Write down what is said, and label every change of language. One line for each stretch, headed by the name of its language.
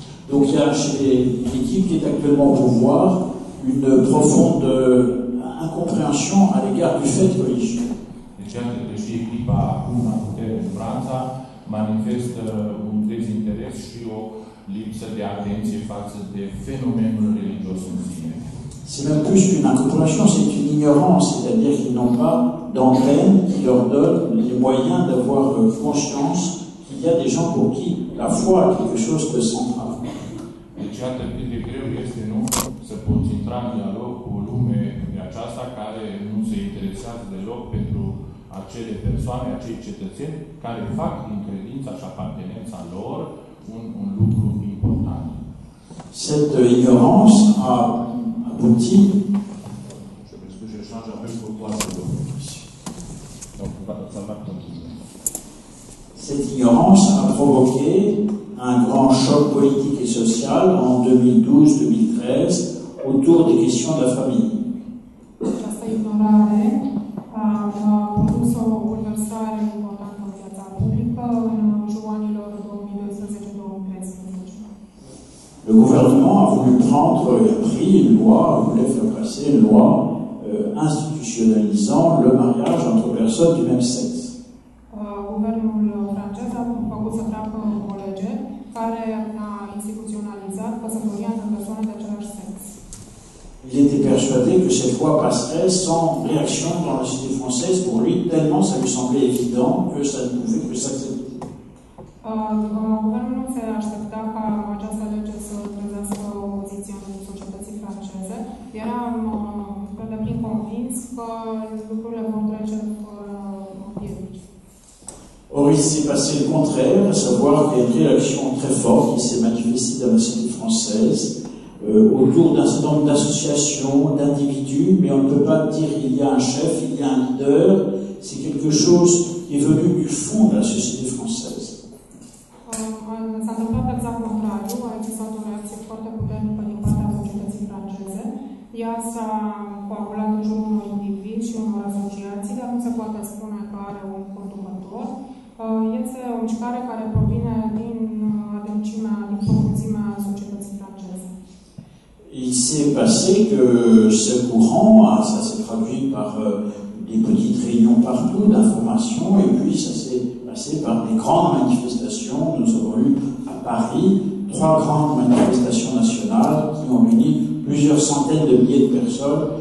French: Donc, il y a chez l'équipe qui est actuellement au pouvoir une profonde incompréhension à l'égard du fait religieux.
Romanian: Deci, atât și echipa acum la putere în Franța manifestă un dezinteres și o lipsă de atenție față de fenomenul religios în sine.
French: C'est même plus qu'une incompréhension, c'est une ignorance, c'est-à-dire qu'ils n'ont pas d'antenne qui leur donne les moyens d'avoir conscience qu'il y a des gens pour qui la foi est quelque chose de central.
Romanian: Deci, atât cât de greu este, nu, să poți intra în dialog cu o lume de aceasta care nu se interesează deloc pentru acele persoane, acei cetățeni care fac din credința și apartenența lor un lucru important.
French: Cette ignorance a abouti. Je pense que je change un peu pour toi ce document. Donc, ça va continuer. Cette ignorance a provoqué un grand choc politique et social en 2012-2013 autour des questions de la famille.
Romanian: Această ignorare a produs o bulversare importantă în viața publică în jurul anilor 2012-2013.
French: Le gouvernement a voulu prendre et a pris une loi, voulait faire passer une loi institutionnalisant le mariage entre personnes du même sexe.
Romanian: Guvernul francez a făcut să treacă o lege care a instituționalizat căsătoria între persoane de același sex.
French: Il était persuadé que cette loi passerait sans réaction dans la société française pour lui, tellement ça lui semblait évident que ça ne pouvait que s'accepter.
Romanian: Guvernul se aștepta ca această lege să prezească o opoziție în societății franceze. Eram pe deplin convins că lucrurile vor trece fără piedici.
French: Or, il s'est passé le contraire, à savoir qu'il y a une réaction très forte qui s'est manifestée dans la société française. Autour d'un certain nombre d'associations, d'individus, mais on ne peut pas dire qu'il y a un chef, il y a un leader. C'est quelque chose qui est venu du fond de la société française.
Romanian: S-a întâmplat exact contrariu, a existat o reacție foarte puternică din partea societății franceze. Ea s-a coagulat în jurul unui individ și unor asociații, dar nu se poate spune că are un conducător. Este o mișcare care provine din adâncimea, din profunzimea societății franceze.
French: Il s'est passé que ce courant, ça s'est traduit par des petites réunions partout d'information, et puis ça s'est passé par des grandes manifestations. Nous avons eu à Paris trois grandes manifestations nationales qui ont réuni plusieurs centaines de milliers de personnes.